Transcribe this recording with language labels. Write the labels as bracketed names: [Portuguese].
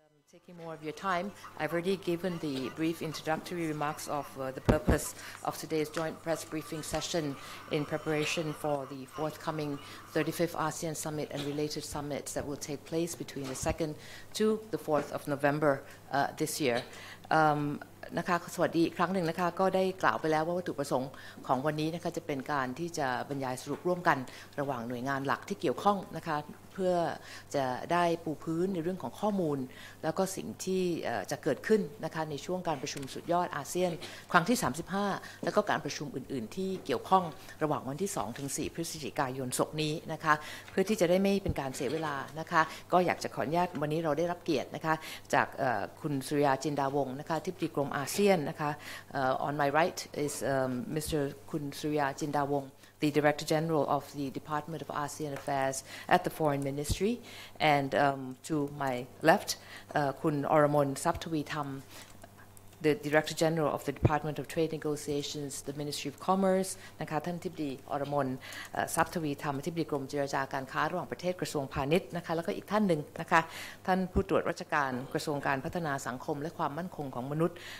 [English] Taking more of your time, I've already given the brief introductory remarks of the purpose of today's joint press briefing session in preparation for the forthcoming 35th ASEAN Summit and related summits that will take place between the 2nd to the 4th of November this year. [Thai] นะคะสวัสดีครั้งหนึ่งนะคะก็ได้กล่าวไปแล้วว่าวัตถุประสงค์ของวันนี้นะคะจะเป็นการที่จะบรรยายสรุปร่วมกันระหว่างหน่วยงานหลักที่เกี่ยวข้องนะคะเพื่อ จะได้ปูพื้นในเรื่องของข้อมูลแล้วก็สิ่งที่จะเกิดขึ้นนะคะในช่วงการประชุมสุดยอดอาเซียนครั้งที่35แล้วก็การประชุมอื่นๆที่เกี่ยวข้องระหว่างวันที่2ถึง4พฤศจิกายนศกนี้นะคะเพื่อที่จะได้ไม่เป็นการเสียเวลานะคะก็อยากจะขออนุญาตวันนี้เราได้รับเกียรตินะคะจากคุณสุริยาจินดาวงศ์นะคะอธิบดีกรมอาเซียนนะคะ [English] on my right is Mr. คุณสุริยาจินดาวงศ์the Director General of the Department of ASEAN Affairs at the Foreign Ministry. And to my left, Khun Oramon Saptawitham, the Director General of the Department of Trade Negotiations, the Ministry of Commerce, [Thai] นะคะท่านอธิบดีอรมนทรัพย์ทวีธรรมอธิบดีกรมเจรจาการค้าระหว่างประเทศกระทรวงพาณิชย์นะคะแล้วก็อีกท่านหนึ่งนะคะท่านผู้ตรวจราชการกระทรวงการพัฒนาสังคมและความมั่นคงของมนุษย์